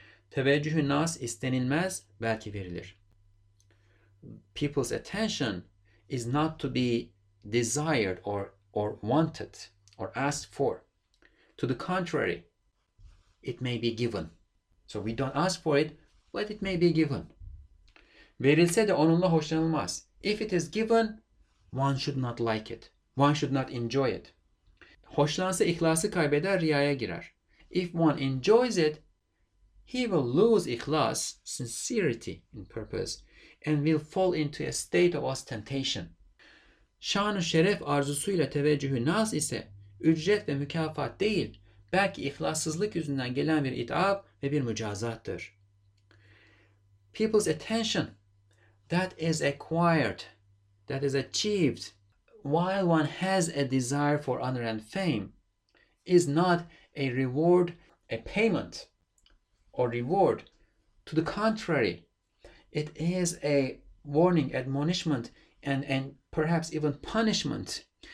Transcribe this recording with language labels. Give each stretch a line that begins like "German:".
Turkish: Teveccühü nas istenilmez, belki verilir.
English: People's attention is not to be desired or wanted or asked for. To the contrary, it may be given. So we don't ask for it, but it may be given.
Turkish: Verilse de onunla hoşlanılmaz.
English: If it is given, one should not like it. One should not enjoy it.
Turkish: Hoşlansa ihlası kaybeder, riyaya girer.
English: If one enjoys it, he will lose ikhlas, sincerity in purpose, and will fall into a state of ostentation.
Turkish: Şan-ı şeref arzusuyla teveccühü naz ise ücret ve mükafat değil, belki ihlassızlık yüzünden gelen bir it'ab ve bir mücazattır.
English: People's attention that is acquired, that is achieved while one has a desire for honor and fame is not a reward, a payment or reward. To the contrary, it is a warning, admonishment, and perhaps even punishment.